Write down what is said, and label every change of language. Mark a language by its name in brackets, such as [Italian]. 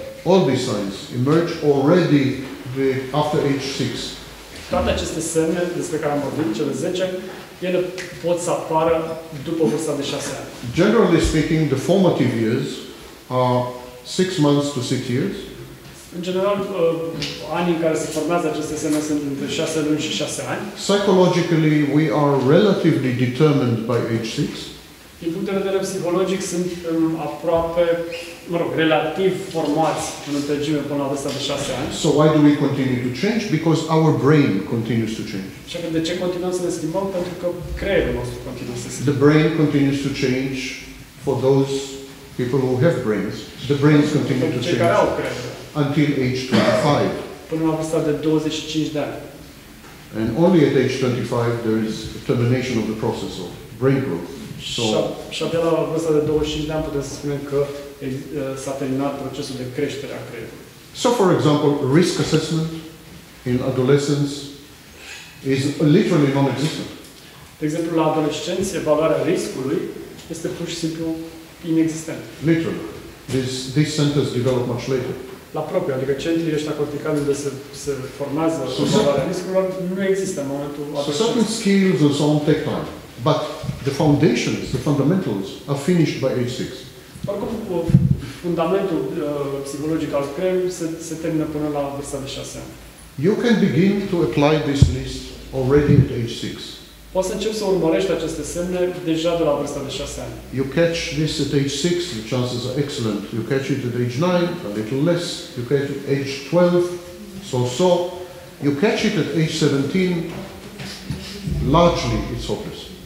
[English] All these signs emerge already after age 6. [Romanian] Toate aceste semne despre care am vorbit, cele 10, ele pot să apară după vârsta de 6 ani. [English] Generally speaking, the formative years are 6 months to 6 years. [Romanian] În general, anii în care se formează aceste semne sunt între 6 luni și 6 ani. [English] Psychologically, we are relatively determined by age 6. [Romanian] Din punct de vedere psihologic, sunt aproape, mă rog, relativ formați în întregime până la vârsta de 6 ani. [English] So why do we continue to change? Because our brain continues to change. [Romanian] Și de ce continuăm să ne schimbăm? Pentru că creierul nostru continuă să se schimbe. [English] The brain continues to change for those people who have brains. The brains continue to change. [Romanian] Pentru cei care au creier. [English] Until age 25. [Romanian] Până la vârsta de 25 de ani. [English] And only at age 25 there is a termination of the process of brain growth. [Romanian] Și abia la vârsta de 25 de ani putem să spunem că s-a terminat procesul de creștere a creierului. [English] So, for example, risk assessment in adolescence is literally non-existent. [Romanian] De exemplu, la adolescență, evaluarea riscului este pur și simplu inexistent. [English] Literally. These centers develop much later. [Romanian] La propriu, adică centrii ăștia corticali unde se formează evaluarea riscurilor nu există în momentul adolescenței. [English] So, certain skills and so on take time. But the foundations, the fundamentals, are finished by age 6. [Romanian] Oricum, fundamentul psihologic al creierului se termină până la vârsta de 6 ani. [English] You can begin to apply this list already at age 6. [Romanian] Poți să începi să urmărești aceste semne deja de la vârsta de 6 ani. [English] You catch this at age 6, the chances are excellent. You catch it at age 9, a little less. You catch it at age 12, so-so. You catch it at age 17, largely it's hopeless.